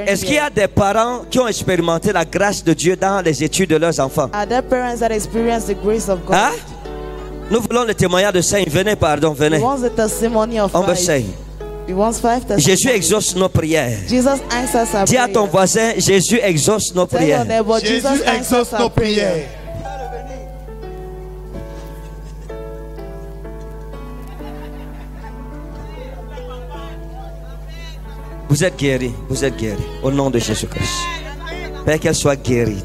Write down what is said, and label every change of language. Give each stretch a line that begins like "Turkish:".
French: Est-ce qu'il y a des parents qui ont expérimenté la grâce de Dieu dans les études de leurs enfants?
English: Are there parents that experienced the grace of God? Hein?
French: Nous voulons le témoignage de Saint. Venez, pardon, venez.
English: He wants the testimony of
French: on veut Saint.
English: He wants five testimonies.
French: Jésus exauce nos prières.
English: Jesus answers our
French: dis à ton voisin, Jésus exauce nos prières. Jésus exauce nos prières. Vous êtes guéri, vous êtes guéri. Au nom de Jésus-Christ. Père, qu'elle soit guérie.